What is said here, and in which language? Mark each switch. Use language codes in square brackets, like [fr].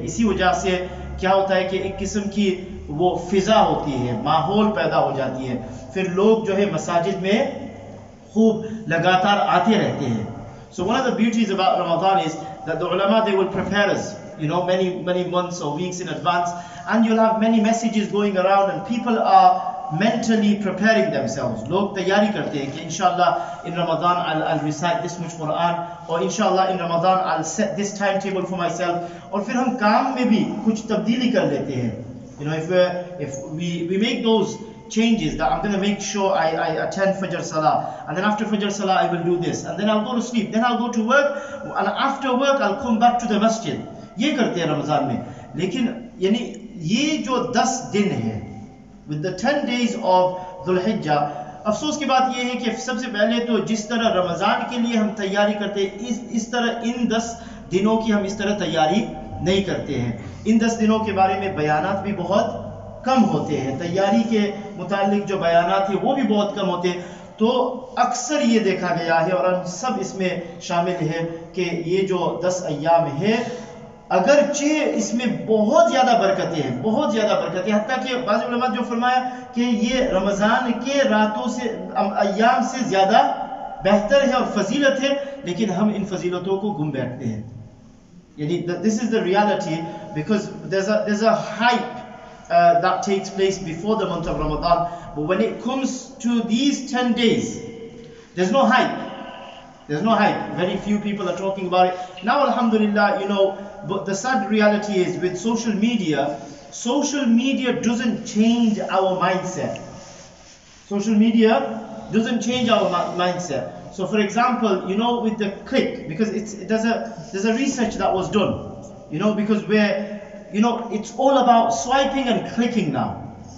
[ur] اسی وجہ سے کیا ہوتا ہے کہ ایک قسم کی وہ فضا ہوتی ہے ماحول پیدا ہو جاتی ہے پھر لوگ جو ہے مساجد میں خوب لگاتار آتے رہتے ہیں. [en] So one of the beauties about Ramadan is that the علماء they will prepare us you know many many months or weeks in advance and you will have many messages going around and people are mentally preparing themselves. [ur] Log taiyari karte hain ki [en] inshallah in Ramadan I'll recite this much Quran or inshallah in Ramadan I'll set this timetable for myself. [ur] Aur fir hum kaam mein bhi kuch tabdili kar lete hain, [en] you know, if we make those changes that I'm going to make sure I attend Fajr Salah and then after Fajr Salah I will do this and then I'll go to sleep, then I'll go to work and after work I'll come back to the masjid. [ur] Ye karte hain Ramadan mein. Lekin yani ye jo 10 din hai [en] with the 10 days of Dhul Hijjah, [ur] افسوس کی بات یہ ہے کہ سب سے پہلے تو جس طرح رمضان کے لیے ہم تیاری کرتے ہیں اس طرح ان 10 دنوں کی ہم اس طرح تیاری نہیں کرتے ہیں. ان 10 دنوں کے بارے میں بیانات بھی بہت کم ہوتے ہیں, تیاری کے متعلق جو بیانات ہیں وہ بھی بہت کم ہوتے ہیں. تو اکثر یہ دیکھا گیا ہے اور ہم سب اس میں شامل ہیں کہ یہ جو 10 ایام ہیں اگرچہ اس میں بہت زیادہ برکتیں ہیں, بہت زیادہ برکتیں, حتیٰ کہ بعض علماء جو فرمایا کہ یہ رمضان کے راتوں سے ایام سے زیادہ بہتر ہے اور فضیلت ہے, لیکن ہم ان فضیلتوں کو گم بیٹھتے ہیں. [en] یعنی this is the reality because there is a hype that takes place before the month of Ramadan but when it comes to these 10 days there is no hype. There's no hype. Very few people are talking about it. Now, alhamdulillah, you know, but the sad reality is with social media doesn't change our mindset. Social media doesn't change our mindset. So, for example, you know, with the click, because there's a research that was done, you know, because it's all about swiping and clicking now.